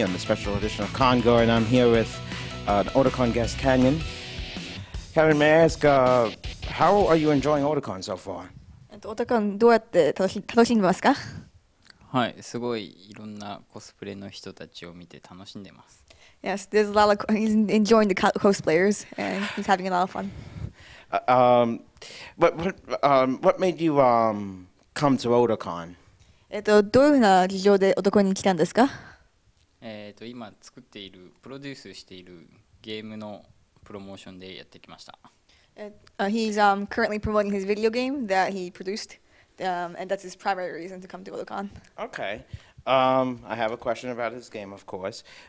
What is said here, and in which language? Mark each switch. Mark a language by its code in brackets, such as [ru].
[en] I'm the special edition of Condor, and I'm here with an Otakon guest, Canyon. Canyon, may I ask, how are you enjoying Otakon so far? Otakon, how are you enjoying Otakon? [ja] はい、すごいいろんなコスプレの人たちを見て楽しんでます。 [en] Yes, there's a lot of he's enjoying the cosplayers and he's having a lot of fun. What made you come to Otakon? [ja] どういうような事情でオタコンに来たんですか? 今作っている プロデュースしているゲームのプロモーションでやってきました。 [en] He's currently promoting his video game that he produced. And that's his primary reason to come to Otakon. Okay. I have a question about his game, of course.